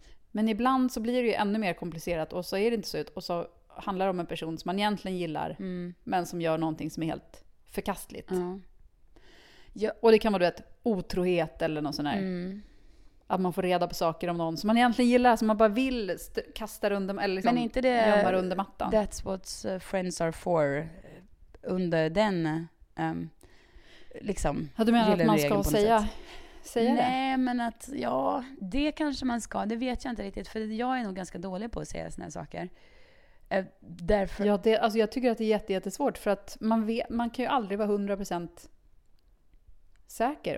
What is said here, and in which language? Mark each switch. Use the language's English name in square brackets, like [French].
[Swedish] Men ibland så blir det ju ännu mer komplicerat, och så är det inte så ut, och så handlar det om en person som man egentligen gillar men som gör någonting som är helt förkastligt. Ja. Och det kan vara, du vet, otrohet eller något sånt där. Mm. Att man får reda på saker om någon som man egentligen gillar, som man bara vill kasta runt dem eller liksom men inte det, gömma under mattan. [English] That's what friends are for, [Swedish] under den liksom. Du menar att man ska säga det? Nej, men att ja, det kanske man ska. Det vet jag inte riktigt, för jag är nog ganska dålig på att säga såna här saker. Därför. Ja, det, alltså jag tycker att det är jättesvårt, för att man vet, man kan ju aldrig vara 100% säker.